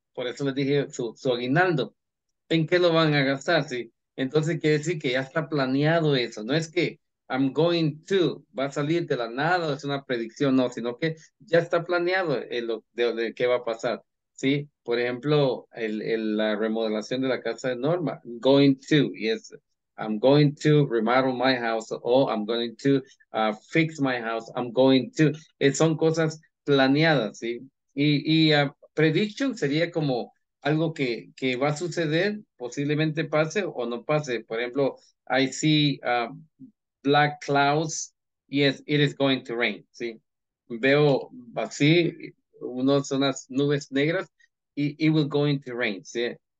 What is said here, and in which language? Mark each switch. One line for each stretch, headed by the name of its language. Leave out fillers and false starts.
Spanish: Por eso les dije su aguinaldo. ¿En qué lo van a gastar? ¿Sí? Entonces quiere decir que ya está planeado eso. No es que
English: I'm going to,
Spanish: va a salir de la nada, es una predicción, no, sino que ya está planeado de qué va a pasar. ¿Sí? Por ejemplo, la remodelación de la casa de Norma.
English: Going to,
Spanish: y es.
English: I'm going to remodel my house, o I'm going to fix my house, I'm going to.
Spanish: Son cosas planeadas, ¿sí? Y prediction sería como algo que va a suceder, posiblemente pase o no pase. Por ejemplo,
English: I see black clouds, yes, it is going to rain, ¿sí?
Spanish: Veo así, unas nubes negras, y
English: it will going to rain,
Spanish: ¿sí?